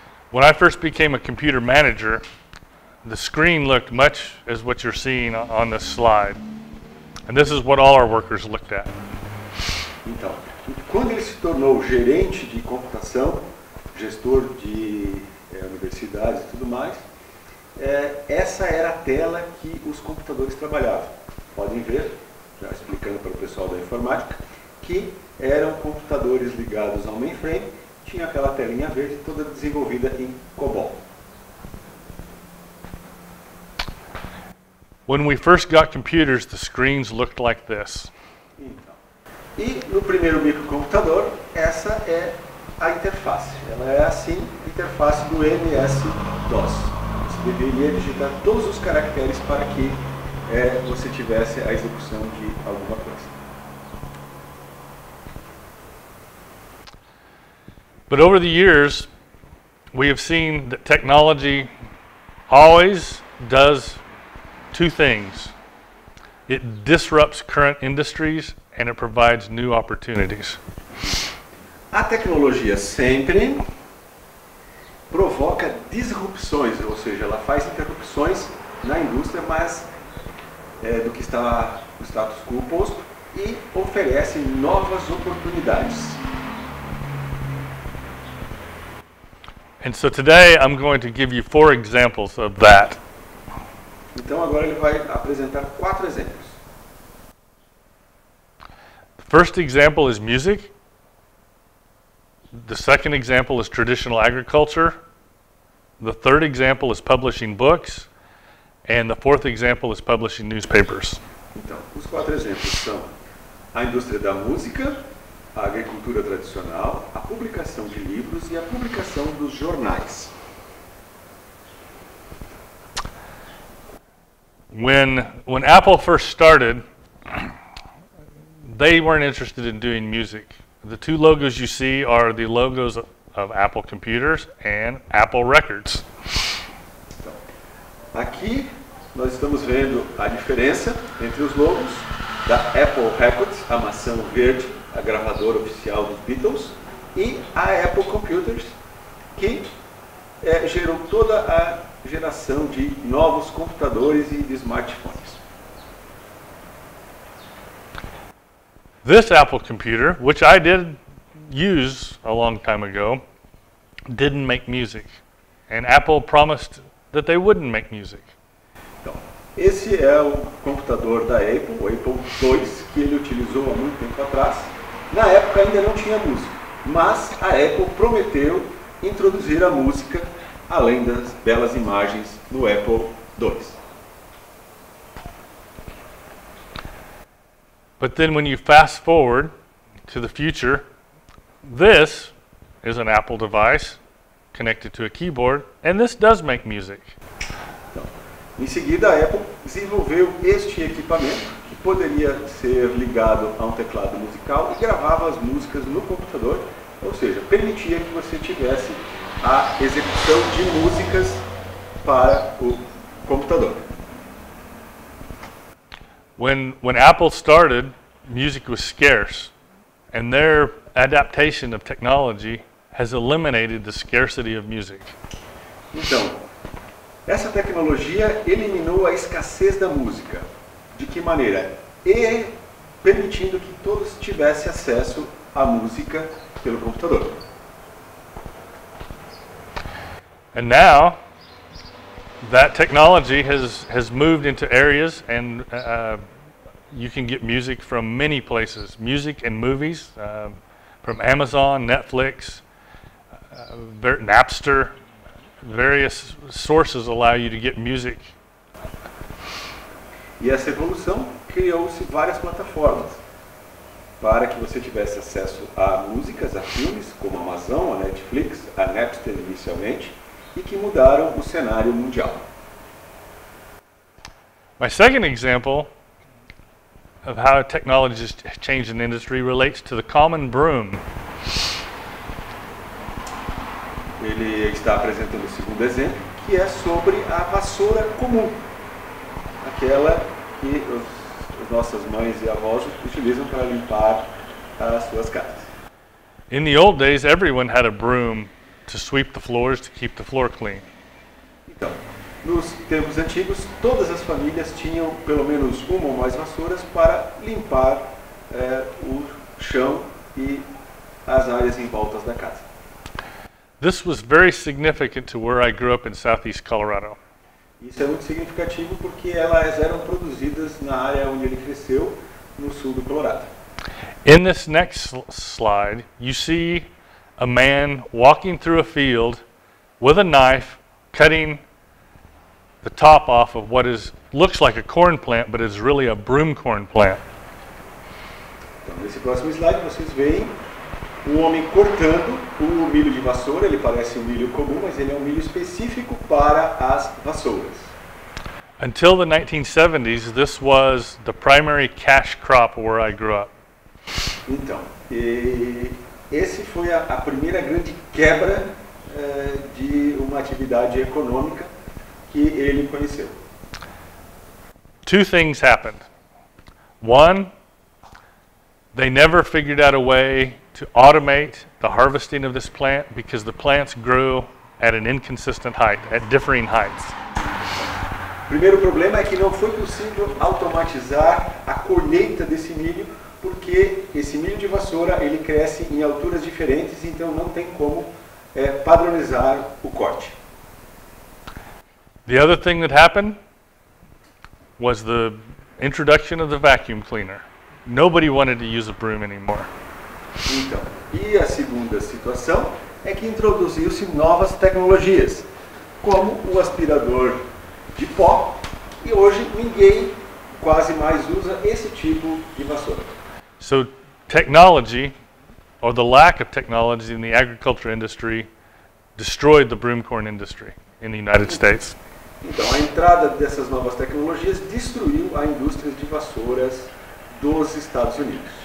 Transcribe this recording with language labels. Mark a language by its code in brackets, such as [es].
[en] When I first became a computer manager, the screen looked much as what you're seeing on this slide. And this is what all our workers looked at. [pt] Então, quando ele se tornou gerente de computação, gestor de universidades e tudo mais, essa era a tela que os computadores trabalhavam. Podem ver, já explicando para o pessoal da informática, que eram computadores ligados ao mainframe, tinha aquela telinha verde toda desenvolvida em COBOL. [en] When we first got computers, the screens looked like this. [pt] E no primeiro microcomputador, essa é a interface. Ela é assim, interface do MS-DOS. Você deveria digitar todos os caracteres para que você tivesse a execução de alguma coisa. [en] But over the years, we have seen that technology always does two things. It disrupts current industries and it provides new opportunities. [pt] A tecnologia sempre provoca disrupções, ou seja, ela faz interrupções na indústria, mas do que está o status quo oposto, e oferece novas oportunidades. [en] And so today I'm going to give you four examples of that. [pt] Então agora ele vai apresentar quatro exemplos. [en] The first example is music. The second example is traditional agriculture. The third example is publishing books. And the fourth example is publishing newspapers. [pt] Então, os quatro exemplos são a indústria da música, a agricultura tradicional, a publicação de livros e a publicação dos jornais. [en] When Apple first started, they weren't interested in doing music. The two logos you see are the logos of Apple Computers and Apple Records. [pt] Aqui nós estamos vendo a diferença entre os logos da Apple Records, a maçã verde, a gravadora oficial dos Beatles, e a Apple Computers, que gerou toda a geração de novos computadores e de smartphones. [en] This Apple computer, which I did use a long time ago, didn't make music. And Apple promised that they wouldn't make music. [pt] Então, esse é o computador da Apple, o Apple II, que ele utilizou há muito tempo atrás. Na época ainda não tinha música, mas a Apple prometeu introduzir a música além das belas imagens no Apple II. [en] But then when you fast forward to the future, this is an Apple device connected to a keyboard, and this does make music. [pt] Em seguida, a Apple desenvolveu este equipamento que poderia ser ligado a um teclado musical e gravava as músicas no computador, ou seja, permitia que você tivesse a execução de músicas para o computador. [en] When Apple started, music was scarce, and their adaptation of technology has eliminated the scarcity of music. [pt] Então, essa tecnologia eliminou a escassez da música. De que maneira? E permitindo que todos tivessem acesso à música pelo computador. [en] And now, that technology has moved into areas and you can get music from many places. Music and movies from Amazon, Netflix, Napster, various sources allow you to get music. [pt] E essa evolução criou-se várias plataformas para que você tivesse acesso a músicas, a filmes, como a Amazon, a Netflix, a Napster inicialmente, e que mudaram o cenário mundial. [en] My second example of how technology has changed an industry relates to the common broom. [pt] Ele está apresentando o segundo exemplo, que é sobre a vassoura comum, aquela que as nossas mães e avós utilizam para limpar as suas casas. [en] In the old days, everyone had a broom to sweep the floors to keep the floor clean. [pt] Então, nos tempos antigos, todas as famílias tinham pelo menos uma ou mais vassouras para limpar o chão e as áreas em volta da casa. [en] This was very significant to where I grew up in Southeast Colorado. [pt] Isso é muito significativo porque elas eram produzidas na área onde ele cresceu, no sul do Colorado. [en] In this next slide, you see a man walking through a field with a knife cutting the top off of what is looks like a corn plant, but is really a broom corn plant. [pt] Então, nesse próximo slide, vocês veem um homem cortando um milho de vassoura. Ele parece um milho comum, mas ele é um milho específico para as vassouras. [en] Until the 1970s, this was the primary cash crop where I grew up. [pt] Então, esse foi a primeira grande quebra de uma atividade econômica que ele conheceu. [en] Two things happened. One, they never figured out a way to automate the harvesting of this plant because the plants grew at an inconsistent height, at differing heights. [pt] Primeiro problema é que não foi possível automatizar a colheita desse milho, porque esse milho de vassoura, ele cresce em alturas diferentes, então não tem como padronizar o corte. [en] The other thing that happened was the introduction of the vacuum cleaner. Nobody wanted to use a broom anymore. [pt] Então, e a segunda situação é que introduziu-se novas tecnologias, como o aspirador de pó, e hoje ninguém quase mais usa esse tipo de vassoura. [en] So technology, or the lack of technology in the agriculture industry, destroyed the broom corn industry in the United States. [pt] Então, a entrada dessas novas tecnologias destruiu a indústria de vassouras dos Estados Unidos.